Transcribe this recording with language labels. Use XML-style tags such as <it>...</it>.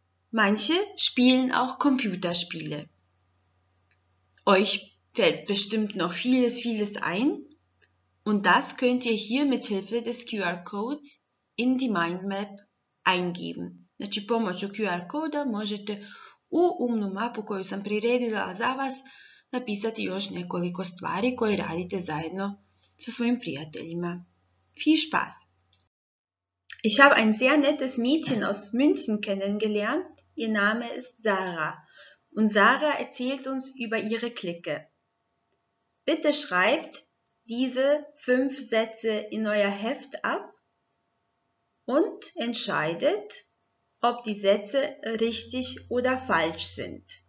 <de>Manche spielen auch Computerspiele. Euch fällt bestimmt noch vieles, vieles ein. Und das könnt ihr hier mit Hilfe des QR-Codes in die Mindmap eingeben.</de> <hr>Znači, pomoću QR-koda možete u umnu mapu koju sam priredila za vas napisati još nekoliko stvari koje radite zajedno</hr> <de>zu seinen Freunden. Viel Spaß! Ich habe ein sehr nettes Mädchen aus München kennengelernt. Ihr Name ist Sarah. Und Sarah erzählt uns über ihre Clique. Bitte schreibt diese 5 Sätze in euer Heft ab und entscheidet, ob die Sätze richtig oder falsch sind.</de>